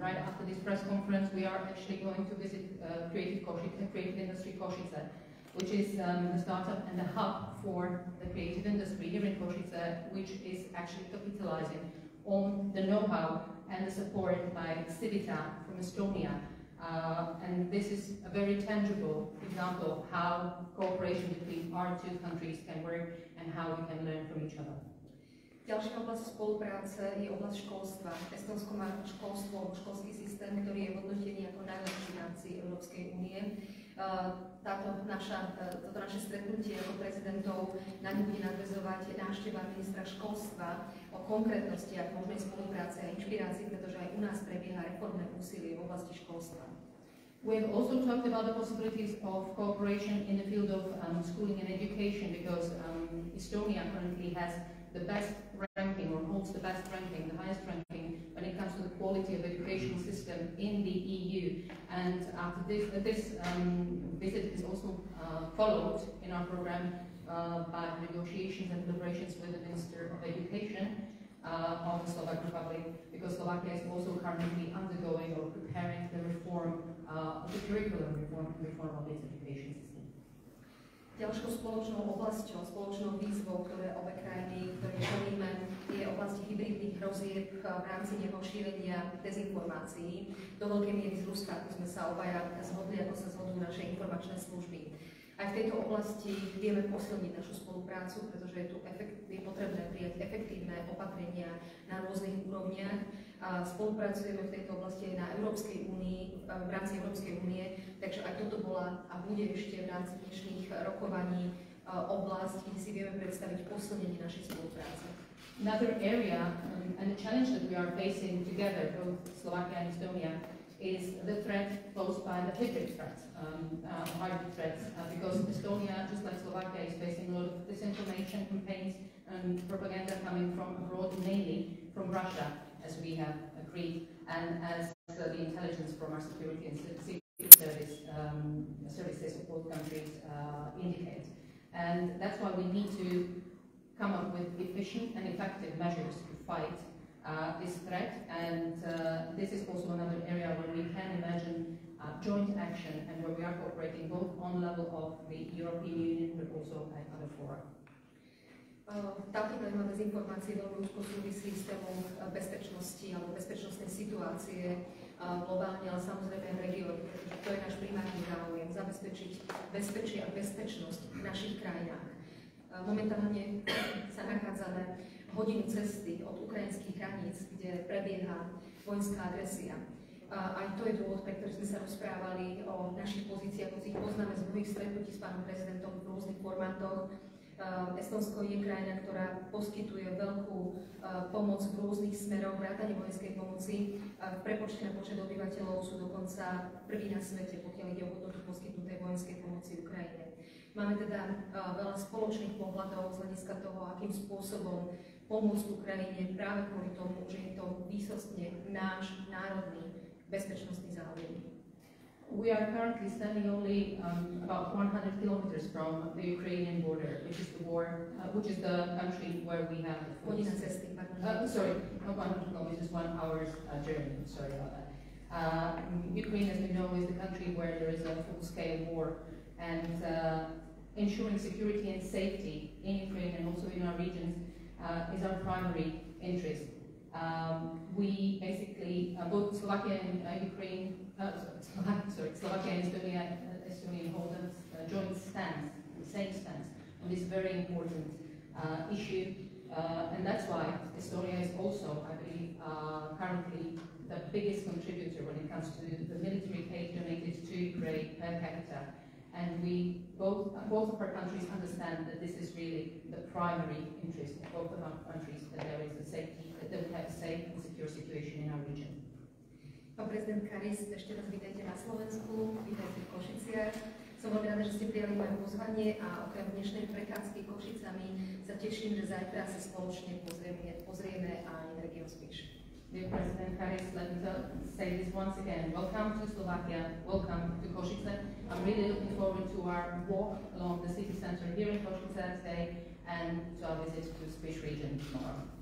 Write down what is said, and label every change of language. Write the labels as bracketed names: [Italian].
[English] Right after this press conference, we are actually going to visit Creative Industry Košice, which is a startup and a hub for the creative industry here in Košice, which is actually capitalizing on the know-how and the support by Civita from Estonia. And this is a very tangible example of how cooperation between our two countries can work and how we can learn from each other. [Slovak] Ďalšia oblasť spolupráce je oblasť školstva. Estonsko má školstvo, školský systém, ktorý je hodnotený ako najlepší v rámci Európskej únie. Toto naše stretnutie ako prezidentov na ňu bude nadväzovať návšteva ministra školstva o konkrétnosti a možnej spolupráce a inšpirácii, pretože aj u nás prebieha reformné úsilie v oblasti školstva. [English] We have also talked about the possibilities of cooperation in the field of schooling and education, because Estonia currently has the best ranking, or holds the best ranking, the highest ranking, when it comes to the quality of education system in the EU. And after this visit is also followed in our program by negotiations and deliberations with the Minister of Education of the Slovak Republic, because Slovakia is also currently undergoing or preparing the reform, the curriculum reform of its education system. [Slovak] Ďalšou spoločnou oblasťou, spoločnou výzvou, ktoré obe krajiny, ktoré čelíme, je oblasti hybridných hrozieb v rámci neho šírenia dezinformácií. Do veľkej miery z Ruska, ako sme sa obaja zhodli, ako sa zhodnú naše informačné služby. Aj v tejto oblasti vieme posilniť našu spoluprácu, pretože je potrebné prijať efektívne opatrenia na rôznych úrovniach. A spolupracujeme v tejto oblasti aj na Európskej únii, v rámci Európskej únie, takže aj toto bola a bude ešte v rámci dnešných rokovaní oblasť, kde si vieme predstaviť posilnenie našej spolupráce. [English] Another area and the challenge that we are facing together, both Slovakia and Estonia, is the threat posed by the hybrid threats, hybrid threats, because Estonia, just like Slovakia, is facing a lot of disinformation campaigns and propaganda coming from abroad, mainly from Russia, as we have agreed, and as the intelligence from our security and security services of both countries indicate. And that's why we need to come up with efficient and effective measures to fight this threat, and this is also another area where we can imagine joint action and where we are cooperating both on the level of the European Union but also at other fora. [Slovak] Táto téma dezinformácie veľmi úzko súvisí s témou bezpečnosti alebo bezpečnostnej situácie globálne, ale samozrejme aj v regióne, pretože to je náš primárny záujem, zabezpečiť bezpečie a bezpečnosť v našich krajinách. Momentálne sa nachádzame hodinu cesty od ukrajinských hraníc, kde prebieha vojenská agresia. Aj to je dôvod, pre ktorý sme sa rozprávali o našich pozíciách, ako si ich poznáme z mnohých stretnutí s pánom prezidentom v rôznych formátoch. Estónsko je krajina, ktorá poskytuje veľkú pomoc v rôznych smeroch, vrátane vojenskej pomoci. V prepočte na počet obyvateľov sú dokonca prví na svete, pokiaľ ide o hodnotu poskytnutej vojenskej pomoci Ukrajine. Máme teda veľa spoločných pohľadov z hľadiska toho, akým spôsobom pomôcť Ukrajine práve kvôli tomu, že je to výsostne náš národný bezpečnostný záujem. [English] We are currently standing only about 100 kilometers from the Ukrainian border, which is the war, which is the country where we have the food. [Slovak] Hodina cesty, [English] pardon. Sorry, not 100 kilometers, 1 hour's journey, sorry about that. Ukraine, as we know, is the country where there is a full-scale war, and ensuring security and safety in Ukraine and also in our regions is our primary interest. We basically, both Slovakia and Ukraine, Slovakia and Estonia hold a joint stance, the same stance, on this very important issue. And that's why Estonia is also, I believe, currently the biggest contributor when it comes to the military aid donated to Ukraine per capita. And we both of our countries understand that this is really the primary interest of both of our countries, that there is a safety, that they will have a safe and secure situation in our region. [Slovak] Pán prezident Karis, ešte raz vítajte na Slovensku, vítajte v Košiciach. Som veľmi rada, že ste prijali moje pozvanie a okrem dnešnej prechádzky Košicami sa teším, že zajtra sa spoločne pozrieme aj na región Spiš. [English] Dear President Karis, let me say this once again. Welcome to Slovakia, welcome to Košice. I'm really looking forward to our walk along the city center here in Košice today and to our visit to Spiš region tomorrow.